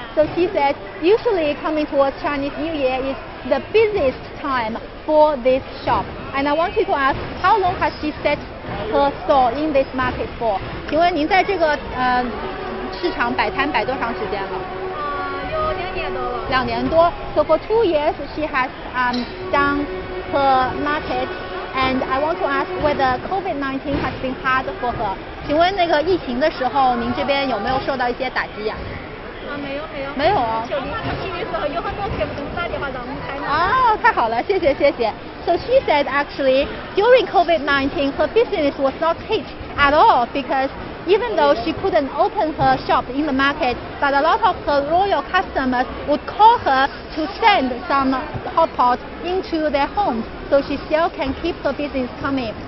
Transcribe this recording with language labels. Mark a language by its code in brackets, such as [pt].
[en] So he said, usually coming towards Chinese New Year is the busiest time for this shop. And I want you to ask, how long has she set her store in this market for? [zh] 请问您在这个市场摆摊摆多长时间了？有两年多了。两年多。 [en] So for 2 years, she has done her market. And I want to ask whether COVID-19 has been hard for her. [zh] 请问那个疫情的时候，您这边有没有受到一些打击呀？啊，没有。没有啊。疫情的时候，有很多客户都打电话让我们开。哦，太好了，谢谢。 [en] So she said actually during COVID-19 her business was not hit at all because even though she couldn't open her shop in the market, but a lot of her loyal customers would call her to send some hot pot into their homes, so she still can keep her business coming.